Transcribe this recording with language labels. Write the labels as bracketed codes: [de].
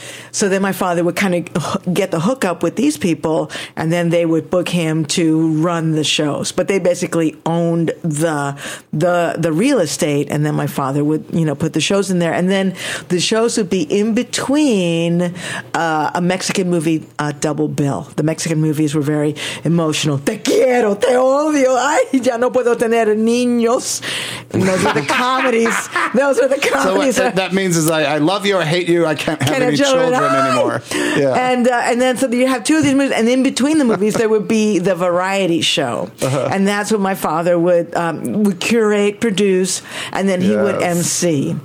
[en] So then my father would kind of get the hookup with these people, and then they would book him to run the shows. But they basically owned the real estate, and then my father would, you know, put the shows in there. And then the shows would be in between a Mexican movie, Double Bill. The Mexican movies were very emotional. [es] Te quiero, te odio, ay, ya no puedo tener niños. [en] And those are the comedies. Those are the comedies. So what that means is I love you, I hate you, I can't have any children. Anymore. Yeah. And then you have two of these movies, and in between the movies there would be the variety show. Uh-huh. And that's what my father would curate, produce, and then he would MC.